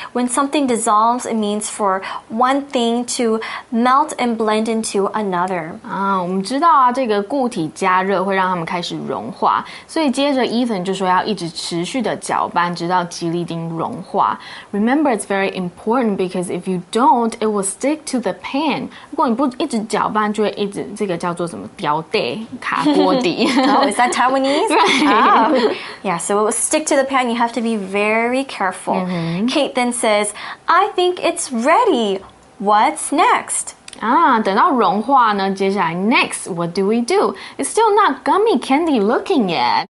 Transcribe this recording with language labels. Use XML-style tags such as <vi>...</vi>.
<en>When something dissolves, it means for one thing to melt and blend into another.</en> <zh>我们知道啊，这个固体加热会让它们开始融化，所以接着 Ethan 就说要一直持续的搅拌，直到吉利丁融化。</zh> <en>Remember, it's very important because if you don't, it will stick to the pan.</en> <zh>如果你不一直搅拌，就会一直这个叫做什么掉底卡锅底。</zh> <en>Oh, is that Taiwanese? Right.、 Yeah, so it will stick to the pan. You have to be very careful.、Mm-hmm. Kate then says, I think it's ready. What's next?</en> <zh>等到融化呢，接下来</zh> <en>next, what do we do? It's still not gummy candy looking yet.</en>